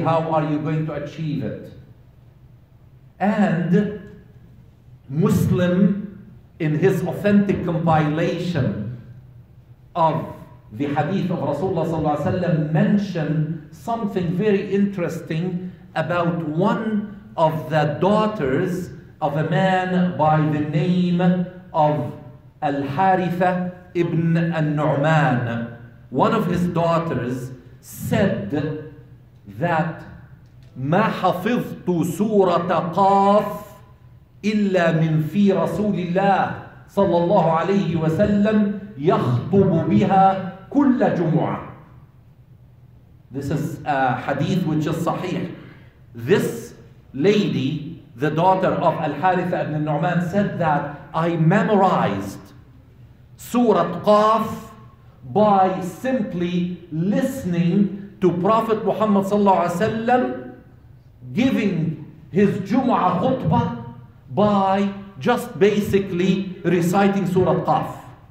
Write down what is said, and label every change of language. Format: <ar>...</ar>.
<en>How are you going to achieve it? And Muslim, in his authentic compilation of the hadith of Rasulullah sallallahu alaihi wasallam, mentioned something very interesting about one of the daughters of a man by the name of Al-Haritha ibn al-Nu'man. One of his daughters said that</en> <ar>مَا حَفِظْتُ سُورَةَ قَافْ إِلَّا مِنْ فِي رَسُولِ اللَّهِ صَلَّى اللَّهُ عَلَيْهِ وَسَلَّمْ يَخْطُبُ بِهَا كُلَّ جُمُعَةٍ.</ar> <en>This is a hadith which is sahih. This lady, the daughter of Al-Haritha ibn al-Nu'man, said that I memorized Surah Qaf by simply listening to Prophet Muhammad sallallahu alayhi wa sallam giving his Jumu'ah khutbah by just basically reciting Surah Qaf.</en>